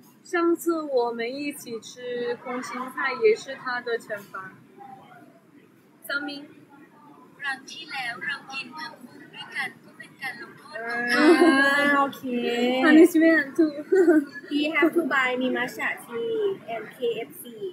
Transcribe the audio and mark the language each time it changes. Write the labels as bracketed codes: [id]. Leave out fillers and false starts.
[zh] 上次我们一起吃空心菜也是他的惩罚三明 [th] ครั้งที่แล้วเรากินผักบุ้งด้วยกันก็เป็นการลงโทษ ของ เขาโอเค [en] punishment too he have to buy me matcha tea and KFC